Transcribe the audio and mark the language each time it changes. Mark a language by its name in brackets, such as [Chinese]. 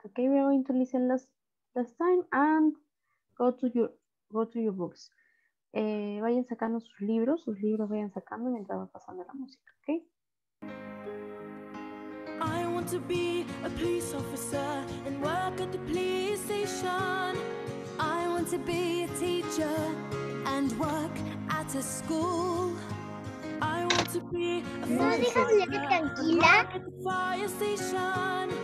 [English] Okay, we are going to listen last time and go to your books. [Spanish] Vayan sacando sus libros vayan sacando mientras va pasando la música, okay? [English] I want to be a police officer and work at the police station. I want to be a teacher and work at a school. I want to be a fire station.